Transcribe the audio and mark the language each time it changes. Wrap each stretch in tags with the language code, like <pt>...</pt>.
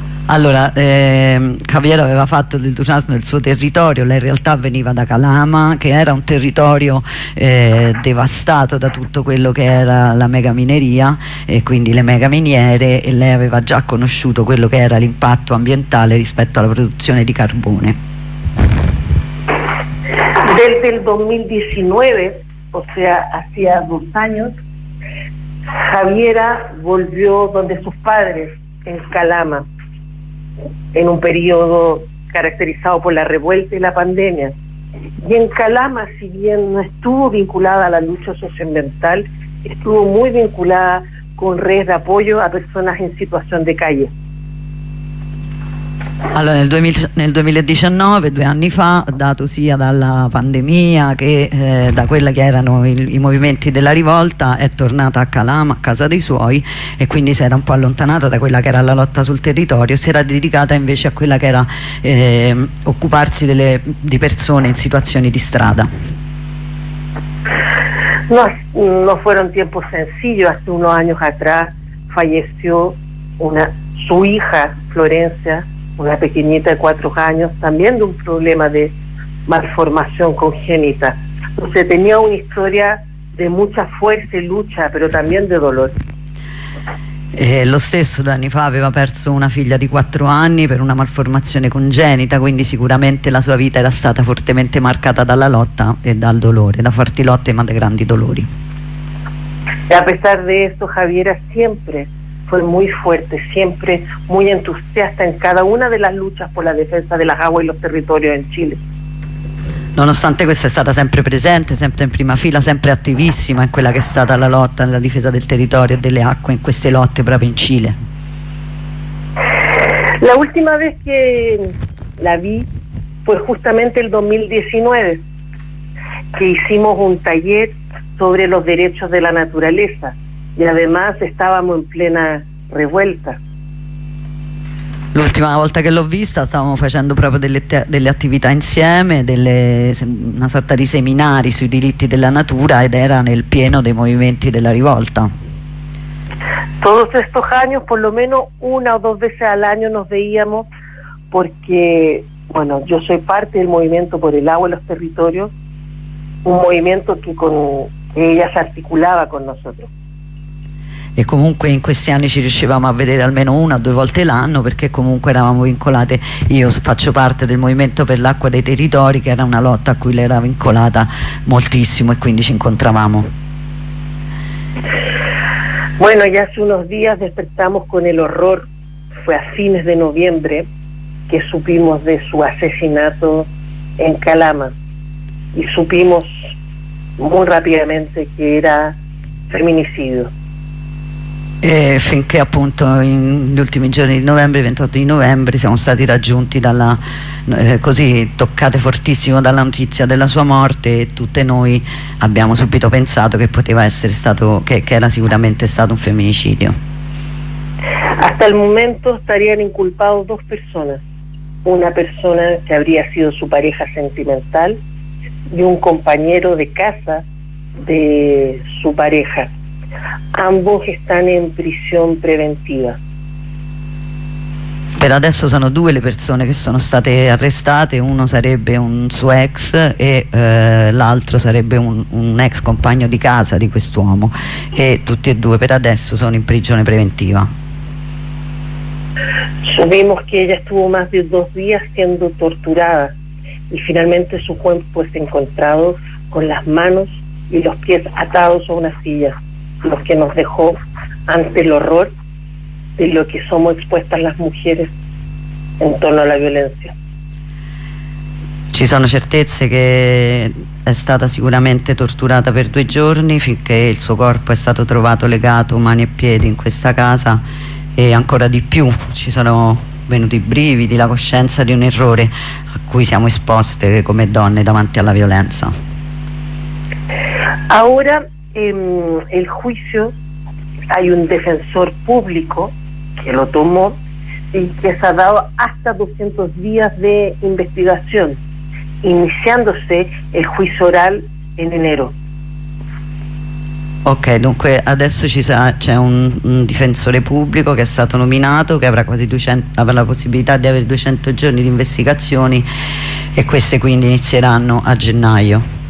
<it>Allora, Javier aveva fatto del Durazno il suo territorio, lei in realtà veniva da Calama, che era un territorio devastato da tutto quello che era la megamineria e quindi le megaminiere, e lei aveva già conosciuto quello che era l'impatto ambientale rispetto alla produzione di carbone.</it> <es>Desde el 2019, o sea, hacía dos años, Javiera volvió donde sus padres, en Calama, en un periodo caracterizado por la revuelta y la pandemia. Y en Calama, si bien no estuvo vinculada a la lucha socioambiental, estuvo muy vinculada con redes de apoyo a personas en situación de calle.</es> <it>Allora, nel 2019, due anni fa, dato sia dalla pandemia che da quella che erano i movimenti della rivolta, è tornata a Calama, a casa dei suoi, e quindi si era un po' allontanata da quella che era la lotta sul territorio, si era dedicata invece a quella che era occuparsi di persone in situazioni di strada.</it> <es>No fueron tiempos sencillos. Hace unos años atrás falleció su hija Florencia, una pequeñita de 4 años, también de un problema de malformación congénita. O sea, tenía una historia de mucha fuerza y lucha, pero también de dolor.</es> <it>Lo stesso, 2 anni fa, aveva perso una figlia di 4 anni per una malformazione congenita, quindi sicuramente la sua vita era stata fortemente marcata dalla lotta e dal dolore, da forti lotte ma da grandi dolori.</it> <es>E a pesar de esto, Javiera siempre fue muy fuerte, siempre muy entusiasta en cada una de las luchas por la defensa de las aguas y los territorios en Chile.</es> <it>Nonostante questo, è stata sempre presente, sempre in prima fila, sempre attivissima in quella che è stata la lotta nella difesa del territorio e delle acque, in queste lotte proprio in Cile.</it> <es>La última vez que la vi fue justamente el 2019, que hicimos un taller sobre los derechos de la naturaleza. Y además estábamos en plena revuelta.</es> <it>L'ultima volta che l'ho vista stavamo facendo proprio delle attività insieme, una sorta di seminari sui diritti della natura, ed era nel pieno dei movimenti della rivolta.</it> <es>todos estos años, por lo menos una o dos veces al año nos veíamos, porque, bueno, yo soy parte del movimiento por el agua en los territorios, un movimiento que ella se articulaba con nosotros.</es> <it>E comunque in questi anni ci riuscivamo a vedere almeno una o due volte l'anno, perché comunque eravamo vincolate. Io faccio parte del Movimento per l'Acqua dei Territori, che era una lotta a cui lei era vincolata moltissimo, e quindi ci incontravamo.</it> <es>Bueno, ya hace unos días despertamos con el horror, fue a fines de noviembre que supimos de su asesinato en Calama, y supimos muy rápidamente que era feminicidio.</es> <it>E finché appunto negli ultimi giorni di novembre, 28 di novembre, siamo stati raggiunti dalla così toccate fortissimo dalla notizia della sua morte, e tutte noi abbiamo subito pensato che poteva essere stato, che era sicuramente stato un femminicidio.</it> <es>Hasta el momento estarían inculpados dos personas, una persona que habría sido su pareja sentimental y un compañero de casa de su pareja. Ambos están en prisión preventiva.</es> <it>Per adesso sono due le persone che sono state arrestate, uno sarebbe un suo ex e l'altro sarebbe un ex compagno di casa di quest'uomo, e tutti e due per adesso sono in prigione preventiva.</it> <es>Sabemos que ella estuvo más de dos días siendo torturada y finalmente su cuerpo es encontrado con las manos y los pies atados a una silla. Lo que nos dejó ante el horror de lo que somos expuestas las mujeres en torno a la violencia.</es> <it>Ci sono certezze che è stata sicuramente torturata per due giorni, finché il suo corpo è stato trovato legato mani e piedi in questa casa, e ancora di più ci sono venuti brividi, la coscienza di un errore a cui siamo esposte come donne davanti alla violenza.</it> <es>Ahora en el juicio hay un defensor público que lo tomó y que se ha dado hasta 200 días de investigación, iniciándose el juicio oral en enero.</es> <it>Ok, dunque adesso c'è un difensore pubblico che è stato nominato, che avrà quasi 200, avrà la possibilità di avere 200 giorni di investigazioni, e queste quindi inizieranno a gennaio.</it>